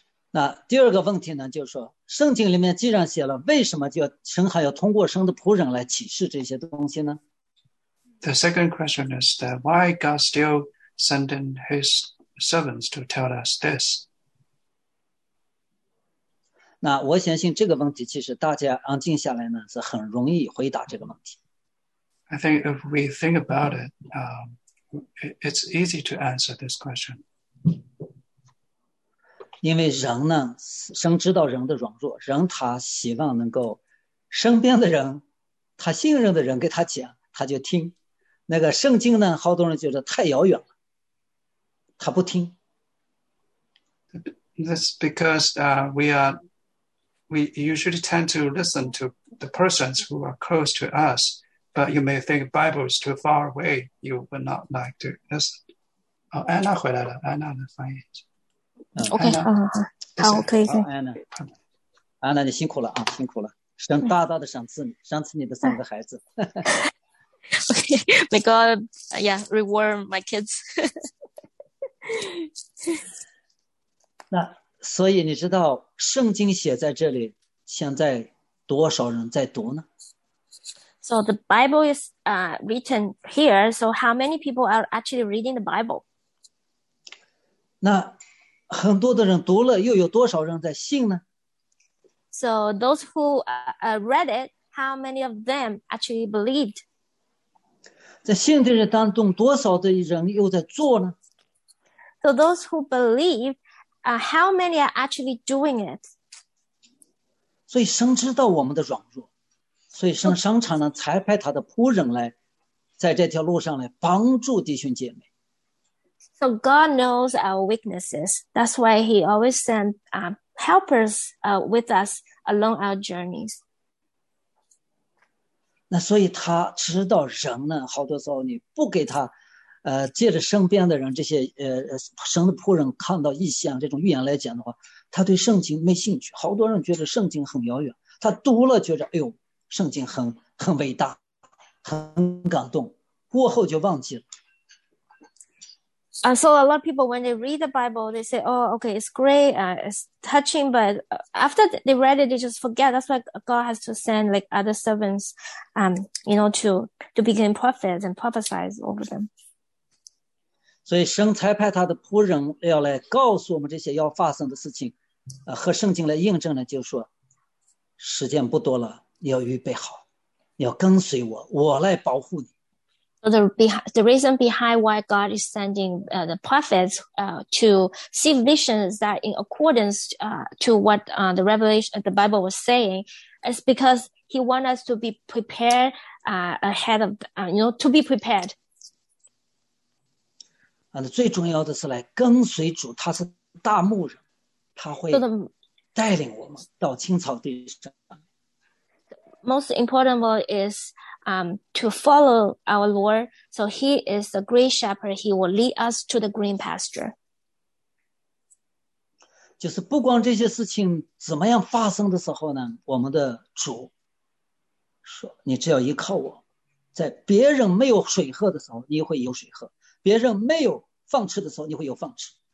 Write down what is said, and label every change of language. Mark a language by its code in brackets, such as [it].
[zh] 那第二个问题呢，就是说，圣经里面既然写了，为什么就神还要通过神的仆人来启示这些东西呢？ [en] The second question is that why God still sending his servants to tell us this? [zh] 那我相信这个问题，其实大家安静下来呢，是很容易回答这个问题。 [en] I think if we think about it, it's easy to answer this question. [zh] 因为人呢，神知道人的软弱，人他希望能够身边的人，他信任的人给他讲，他就听。那个圣经呢，好多人觉得太遥远了，他不听。 [en] That's because we usually tend to listen to the persons who are close to us, but you may think Bible is too far away, you would not like to listen. [zh] Oh, Anna 回来了 ，Anna 的翻译。 OK， 好，可以，安娜，安娜，你辛苦了啊，辛苦了，神大大的赏赐你，赏赐你的三个孩子。 [en] May God, yeah, reward my kids. [zh] 那所以你知道圣经写在这里，现在多少人在读呢 [en] ？So the Bible is written here. So how many people are actually reading the Bible? [zh] 那很多的人读了，又有多少人在信呢 [en] ？So those who read it, how many of them actually believed? [zh] 在信的人当中，多少的人又在做呢 [en] ？So those who believe, how many are actually doing it? [zh] 所以神知道我们的软弱，所以神常常呢才派他的仆人来，在这条路上来帮助弟兄姐妹。 [en] So God knows our weaknesses. That's why He always sent helpers with us along our journeys. [zh] 那所以他知道人呢，好多时候你不给他，借着身边的人这些神的仆人看到异象这种预言来讲的话，他对圣经没兴趣。好多人觉得圣经很遥远，他读了觉得哎呦，圣经很伟大，很感动，过后就忘记了。 [en] So a lot of people, when they read the Bible, they say, oh, okay, it's great, it's touching, but after they read it, they just forget. That's why God has to send like other servants, you know, to become prophets and prophesy over them. [zh] 所以神才派他的仆人要来告诉我们这些要发生的事情，和圣经来印证呢，就是说，时间不多了，要预备好，要跟随我，我来保护你。 [en] The reason behind why God is sending the prophets to see visions that in accordance to what the revelation of the Bible was saying is because He wants us to be prepared ahead of you know to be prepared. [zh] 最重要的是来跟随主，他是大牧人，他会带领我们到青草地上。 [en] Most important one is to follow our Lord. So He is the great shepherd. He will lead us to the green pasture. [zh] 就是不光这些事情怎么样发生的时候呢，我们的主说，你只要依靠我，在别人没有水喝的时候，你会有水喝；别人没有饭吃的时候，你会有饭吃。